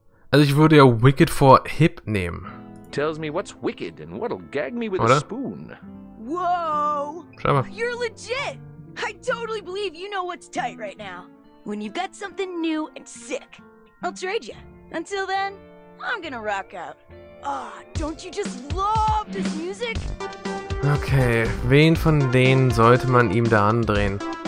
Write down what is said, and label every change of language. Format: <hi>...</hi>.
<de>Also ich würde ja</de> <en>Wicked for Hip</en> <de>nehmen.</de> <en>Tells me what's wicked and what'll gag me with</en> <de>Oder?</de> <en>A spoon. Whoa!</en> <de>Schau mal.</de> <en>You're legit! I totally believe you know what's tight right now. When you've got something new and sick, I'll trade you. Until then, I'm gonna rock out. Ah, oh, don't you just love this music?</en> <de>Okay, wen von denen sollte man ihm da andrehen?</de>